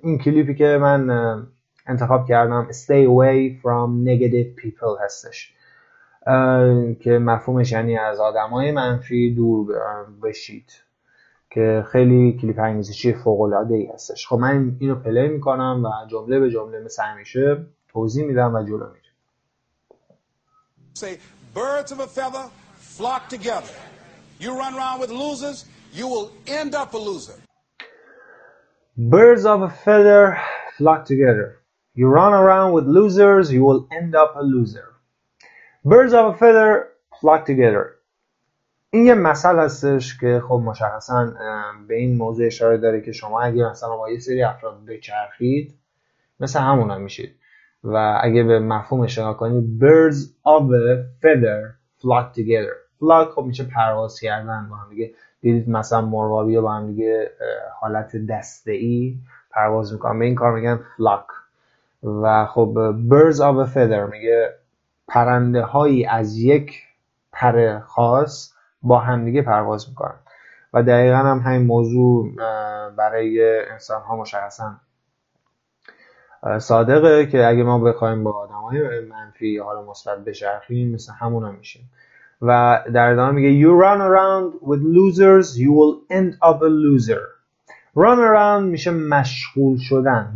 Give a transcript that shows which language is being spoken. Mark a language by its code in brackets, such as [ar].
[fa] این کلیپی که من انتخاب کردم [en] Stay away from negative people [fa] هستش، که مفهومش یعنی از آدم های منفی دور بشید، که خیلی کلیپ انگیزشی فوق‌العاده‌ای هستش. خب من اینو پلی میکنم و جمله به جمله مثل همیشه توضیح میدم و جلو میدم. [en] Say, birds of a feather flock together. You run around with losers, you will end up a loser. Birds of a feather flock together. You run around with losers, you will end up a loser. Birds of a feather flock together. [fa] این یه مثل هستش که خب مشخصا به این موضوع اشاره داره که شما اگه مثلا با یه سری افراد بچرخید مثل همونا میشید، و اگه به مفهومش نگاه کنید [en] birds of a feather flock together. [fa] flock خب میشه پرواز کردن با هم دیگه. دیدید مثلا مرغابی با هم دیگه حالت دسته ای پرواز میکنن، به این کار میگن flock. و خب [en] birds of a feather [fa] میگه پرنده هایی از یک پر خاص با هم دیگه پرواز میکنن، و دقیقا هم همین موضوع برای انسان ها مشخصا صادقه، که اگه ما بخوایم با آدم های منفی حالا مثبت بچرخیم مثل همون هم میشیم. و در ادامه میگه [en] You run around with losers, you will end up a loser. Run around [fa] میشه مشغول شدن.